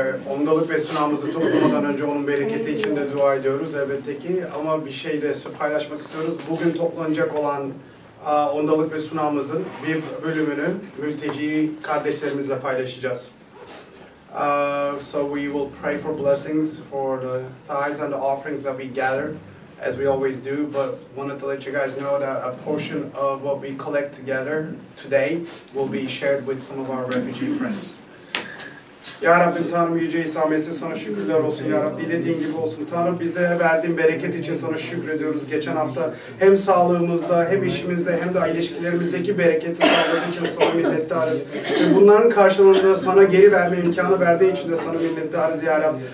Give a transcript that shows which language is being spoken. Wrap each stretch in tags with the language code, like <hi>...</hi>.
<tr>Ondalık ve sunamızı toplamadan önce onun bereketi için de dua ediyoruz elbette ki. Ama bir şey de paylaşmak istiyoruz. Bugün toplanacak olan ondalık ve sunamızın bir bölümünü mülteci kardeşlerimizle paylaşacağız.</tr> <en>So we will pray for blessings for the tithes and the offerings that we gather, as we always do, but wanted to let you guys know that a portion of what we collect together today will be shared with some of our refugee friends.</en> <tr>Ya Rabbim Tanrım Yüce İsa Mesih, sana şükürler olsun Ya Rabbim, dilediğin gibi olsun Tanrım, bizlere verdiğin bereket için sana şükrediyoruz. Geçen hafta hem sağlığımızda hem işimizde hem de ilişkilerimizdeki bereketi sağladığın için sana minnettarız. Bunların karşılığında sana geri verme imkanı verdiğin için de sana minnettarız Ya Rabbim.</tr>